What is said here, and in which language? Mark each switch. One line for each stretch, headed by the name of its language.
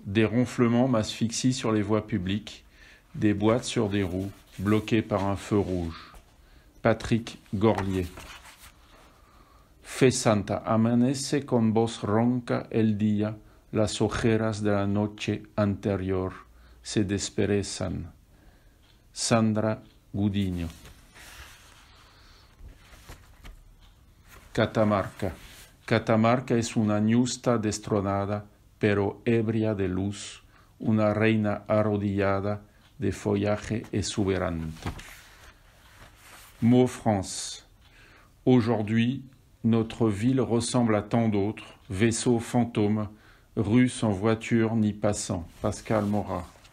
French: Des ronflements m'asphyxient sur les voies publiques, des boîtes sur des roues, bloquées par un feu rouge. Patrick Gorlier.
Spanish: Fe Santa, amanece con voz ronca el día, las ojeras de la noche anterior se desperezan. Sandra Gudiño. Catamarca. Catamarca es una ñusta destronada, pero ebria de luz, una reina arrodillada de follaje exuberante.
French: Mot France. Aujourd'hui, notre ville ressemble à tant d'autres, vaisseaux fantômes, rues sans voiture ni passants. Pascal Morat.